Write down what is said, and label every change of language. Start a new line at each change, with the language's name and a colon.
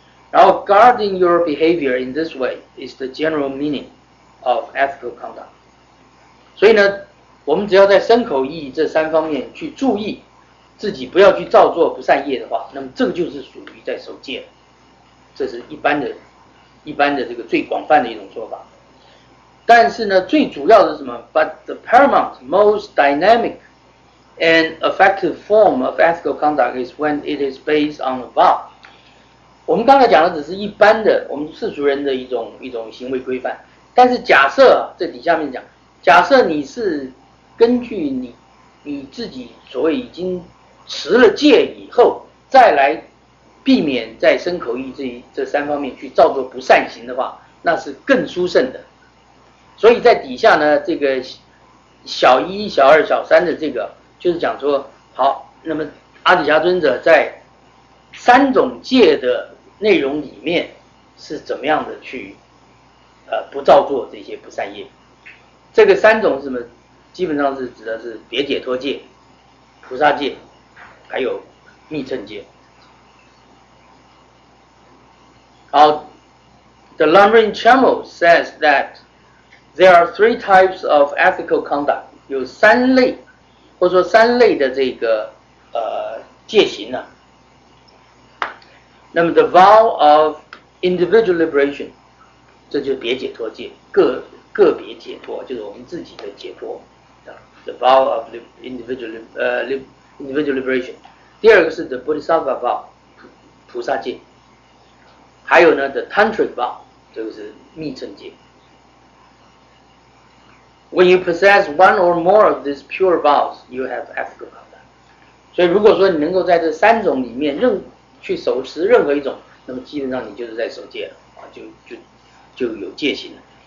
Chinese: 然后
English: ，guarding your behavior in this way is the general meaning of ethical conduct。
Chinese: 所以呢，我们只要在身口意这三方面去注意自己不要去造作不善业的话，那么这个就是属于在守戒，这是一般的这个最广泛的一种说法。但是呢，最主要的是什么？
English: But the paramount, most dynamic and effective form of ethical conduct is when it is based on a vow.
Chinese: 我们刚才讲的只是一般的我们世俗人的一种行为规范，但是假设这底下面讲，假设你是根据你自己所谓已经持了戒以后再来避免在身口意这三方面去造作不善行的话，那是更殊胜的。所以在底下呢，这个小一、小二、小三的这个，就是讲说，好，那么阿底峡尊者在三种戒的内容里面是怎么样的去不造作这些不善业？这个三种是什么？基本上是指的是别解脱戒、菩萨戒，还有密乘戒。
English: The Lamrim Chamo says that there are three types of ethical conduct.
Chinese: 有三类，或者说三类的这个戒行呢、啊。那么
English: the vow of individual liberation，
Chinese: 这就是别解脱戒，个别解脱就是我们自己的解脱。
English: The vow of individual liberation。
Chinese: 第二个是
English: the Bodhisattva vow，
Chinese: 菩萨戒。还有呢
English: the Tantric vow，
Chinese: 这个是密乘戒。
English: When you possess one or more of these pure vows, you have ethical conduct.
Chinese: 所以如果说你能够在这三种里面任去手持任何一种，那么基本上你就是在守戒了，就有戒行了。